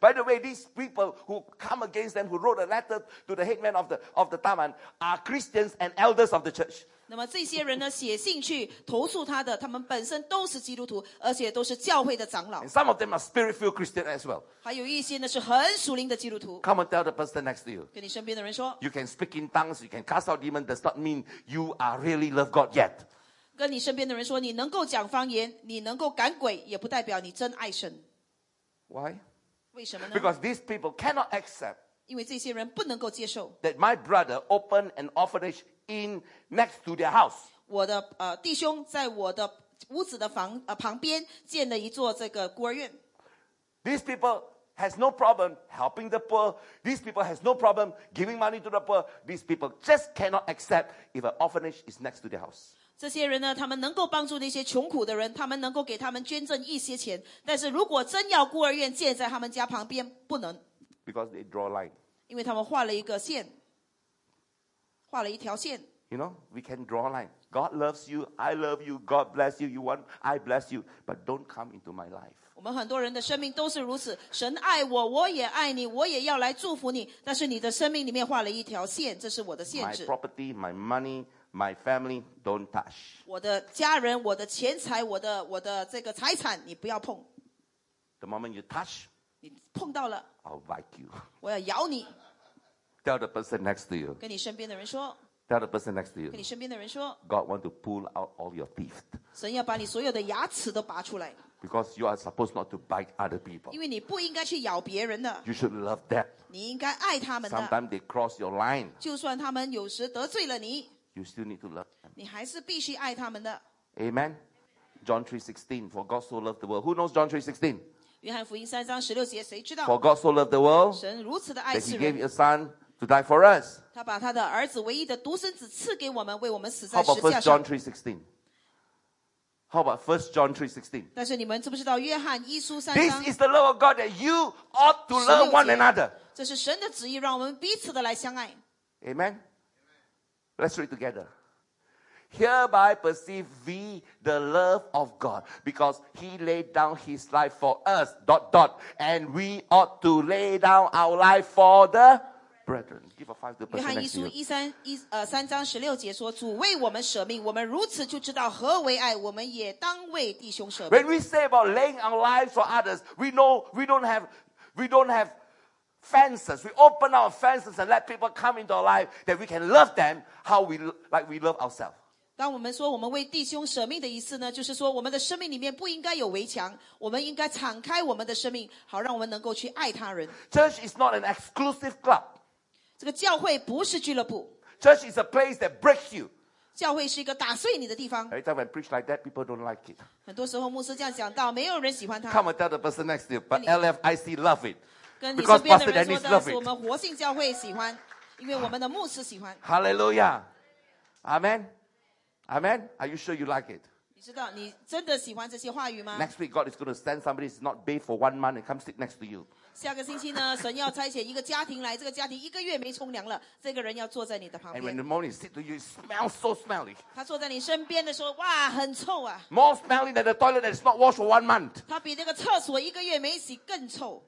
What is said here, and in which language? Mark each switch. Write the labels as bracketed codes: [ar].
[en] By the way, these people who come against them, who wrote a letter to the headman of the taman, are Christians and elders of the church. [zh] 那么这些人呢，写信去投诉他的，他们本身都是基督徒，而且都是教会的长老。 [en] And some of them are spirit-filled Christian as well. [zh] 还有一些呢是很属灵的基督徒。 [en] Come and tell the person next to you. [zh] 跟你身边的人说。 [en] You can speak in tongues, you can cast out demons, does not mean you are really love God yet. [zh] 跟你身边的人说，你能够讲方言，你能够赶鬼，也不代表你真爱神。 [en] Why? [zh] 为什么呢？ [en] Because these people cannot accept. [zh] 因为这些人不能够接受。 [en] That my brother opened an orphanage in next to their house. [zh] 我的, 弟兄在我的屋子的房, 旁边, 建了一座这个孤儿院。 [en] These people has no problem helping the poor. These people has no problem giving money to the poor. These people just cannot accept if an orphanage is next to their house. [zh] 这些人呢，他们能够帮助那些穷苦的人，他们能够给他们捐赠一些钱，但是如果真要孤儿院建在他们家旁边，不能。 [en] Because they draw line. [zh] 因为他们画了一个线，画了一条线。 [en] You know, we can draw line. God loves you, I love you, God bless you, you want, I bless you, but don't come into my life. [zh] 我们很多人的生命都是如此，神爱我，我也爱你，我也要来祝福你，但是你的生命里面画了一条线，这是我的限制。 [en] My property, my money,My family, don't touch. [zh] 我的家人，我的钱财，我的这个财产，你不要碰。 [en] The moment you touch, [zh] 你碰到了 [en] I'll bite you. [zh] 我要咬你。 [en] Tell the person next to you. [zh] 跟你身边的人说。 [en] Tell the person next to you. [zh] 跟你身边的人说。 [en] God want to pull out all your teeth. [zh] 神要把你所有的牙齿都拔出来。 [en] Because you are supposed not to bite other people. [zh] 因为你不应该去咬别人的。 [en] You should love them. [zh] 你应该爱他们的。 [en] Sometimes they cross your line. [zh] 就算他们有时得罪了你。 [en] You still need to love them. [zh] 你还是必须爱他们的。 [en] Amen. John 3:16. For God so loved the world. Who knows John 3:16? [zh] 约翰福音三章十六节，谁知道 [en] ？For God so loved the world. [zh] 神如此的爱世人。 [en] That He gave His Son to die for us. [zh] 他把他的儿子唯一的独生子赐给我们，为我们死在十字架 [en] 上。How about First John 3:16? How about First John 3:16? [zh] 但是你们知不知道约翰一书三章 [en] ？This is the love of God that you ought to love one another. [zh] 这是神的旨意，让我们彼此的来相爱。 [en] Amen. Let's read together. Hereby perceive we the love of God, because He laid down His life for us, and we ought to lay down our life for the brethren. Give a five to the person next to you. [zh] 约翰一书三章十六节说，主为我们舍命，我们如此就知道何为爱，我们也当为弟兄舍命。 [en] When we say about laying our lives for others, we know we don't have fences. We open our fences and let people come into our life that we can love them. How we like we love ourselves. [zh] 当我们说我们为弟兄舍命的意思呢，就是说我们的生命里面不应该有围墙，我们应该敞开我们的生命，好让我们能够去爱他人。 [en] Church is not an exclusive club. [zh] 这个教会不是俱乐部。 [en] Church is a place that breaks you. [zh] 教会是一个打碎你的地方。 [en] Every time I preach like that, people don't like it. [zh] 很多时候牧师这样讲到，没有人喜欢他。 [en] Come and tell the person next to you, but LFIC love it. [zh] 跟你身边的人说，但是我们活信教会喜欢。因为我们的牧师喜欢。 [en] Hallelujah. Amen. Amen. Are you sure you like it? [zh] 你知道你真的喜欢这些话语吗? [en] Next week, God is going to send somebody who's not bathed for 1 month and come sit next to you. [zh] 下个星期呢，神要差遣一个家庭来，这个家庭一个月没冲凉了，这个人要坐在你的旁边。 [en] And when the morning sit to you, it smells so smelly. [zh] 他坐在你身边的时候，哇，很臭啊。 [en] More smelly than the toilet that is not washed for 1 month. [zh] 他比那个厕所一个月没洗更臭。